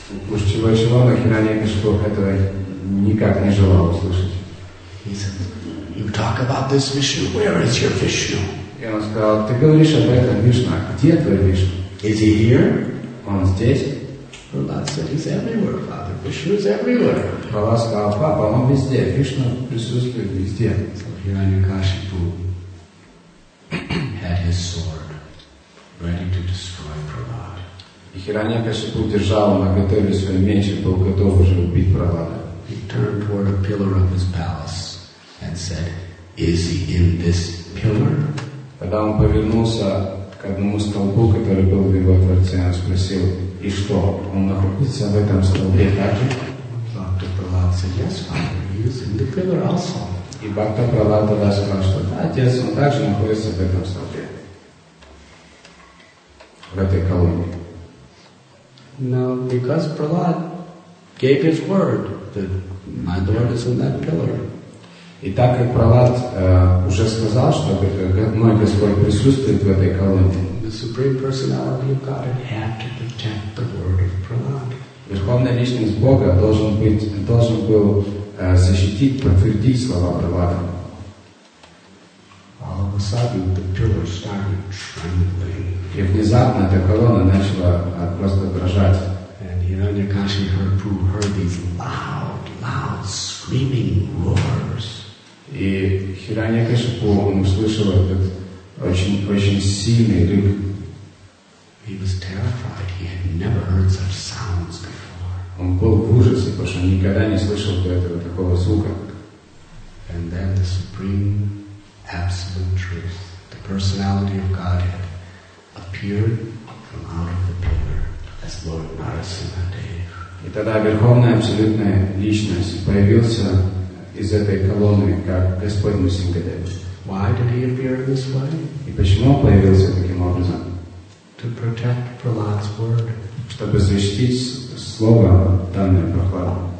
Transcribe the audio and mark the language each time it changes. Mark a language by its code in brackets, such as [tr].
[ru] Уж чего чего, но Хираньякашипу этого никак не желал услышать. [en] He said, you talk about this Vishnu, where is your Vishnu? [ru] И он сказал, ты говоришь об этом Вишна, где твой Вишну? [en] Is he here? [ru] Он здесь. [en] Prahlad said, he's everywhere, Father. Vishnu is everywhere. [ru] Prahlad сказал, папа, он везде. Вишна присутствует везде. [en] So Hiranyakashipu had his sword ready to destroy Prahlad. [ru] И Хираньякашипу держал наготове свой меч и был готов уже убить Прахлада. [en] He turned toward a pillar of his palace and said, is he in this pillar? [ru] Когда он повернулся к одному столбу, который был в его дворце, он спросил, и что, он находится в этом столбе также? [en] Бхакта Прахлад said, yes, father, he is in the pillar also. [ru] И Бхакта Прахлад тогда сказал, что да, отец, он также находится в этом столбе, в этой колонии. [en] Now, because Prahlad gave his word that my Lord is in that pillar. [ru] И так как Прахлад уже сказал, что мой Господь присутствует в этой колонии, [en] the Supreme Personality of Godhead had to protect the word of Prahlad. [ru] Верховная личность Бога должен был защитить, подтвердить слова Прахлада. [en] All of a sudden, the pillar started trembling. [ru] И внезапно эта колонна начала просто дрожать. [en] And Hiranyakashipu heard these loud, loud screaming roars. [ru] И Хираньякашипу услышал этот очень-очень сильный рык. [en] He was terrified. He had never heard such sounds before. [ru] Он был в ужасе, потому что никогда не слышал до этого такого звука. [en] And then the supreme, absolute truth, the personality of Godhead, appeared from out of the pillar as Lord Narasimha Dev. [ru] И тогда верховная абсолютная личность появился из этой колонны как Господь Нарасимха Дев. [en] Why did he appear this way? [ru] И почему он появился таким образом? [en] To protect Prahlad's word. [ru] Чтобы защитить слово данное Прахладу.